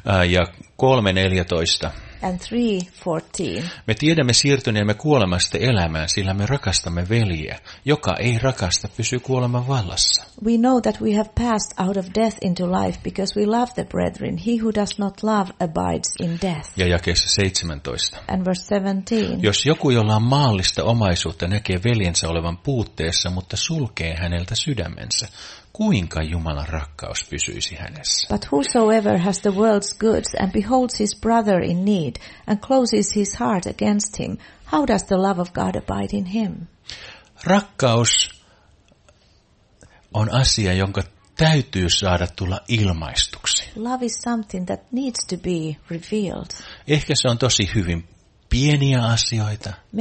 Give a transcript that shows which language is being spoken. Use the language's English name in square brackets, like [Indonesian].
[Finnish] Ja 3:14. [English] And 3:14. [Finnish] Me tiedämme siirtyneemme kuolemasta elämään, sillä me rakastamme veljeä. Joka ei rakasta, pysyy kuoleman vallassa. [English] We know that we have passed out of death into life because we love the brethren. He who does not love abides in death. [Finnish] Ja jakeessa 17. [English] And verse 17. [Finnish] Jos joku, jolla on maallista omaisuutta, näkee veljensä olevan puutteessa, mutta sulkee häneltä sydämensä, kuinka Jumalan rakkaus pysyisi hänessä? [English] But whosoever has the world's goods and beholds his brother in need and closes his heart against him, how does the love of God abide in him? [Finnish] Rakkaus on asia, jonka täytyy saada tulla ilmaistuksi. [English] Love is something that needs to be revealed. [Finnish] Ehkä se on tosi hyvin pieniä asioita.